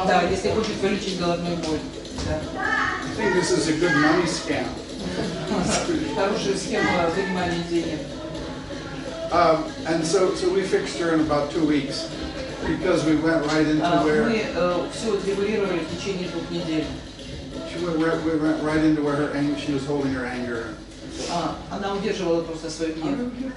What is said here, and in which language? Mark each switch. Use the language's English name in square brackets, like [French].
[Russian] Если хочет вылечить головную боль. [English] I think this is a good money scam. [Russian] Хорошая схема занимания денег. [English] And so we fixed her in about 2 weeks because we went right into where [Russian] мы все отрегулировали в течение двух недель. [English] We went right into where her anger, she was holding her anger. [Russian] Она удерживала просто свой гнев.